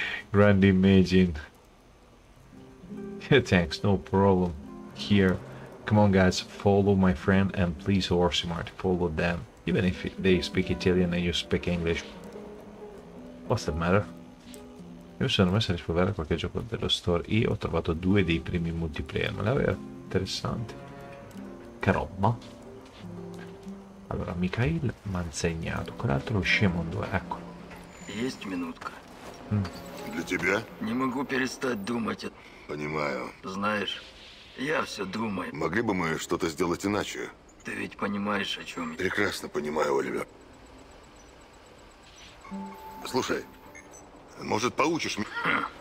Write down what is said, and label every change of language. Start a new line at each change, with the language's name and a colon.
English: Grand imaging. Thanks, no problem. Here. Come on, guys, follow my friend and please, Horsemart, follow them. Even if they speak Italian and you speak English. What's the matter?
Italian: Io mi sono messo a rispolverare qualche gioco dello store. Io ho trovato due dei primi multiplayer. Ma l'aveva interessante. Che roba. Allora, Mikhail m'ha insegnato, quell'altro è scemo in due, ecco.
Russian: Есть минутка. Для тебя? Не могу перестать думать. Понимаю. Знаешь, я все думаю. Могли бы мы что-то сделать иначе? Ты ведь понимаешь, о чем я. Прекрасно понимаю, Оливер. Слушай, может, поучишь меня?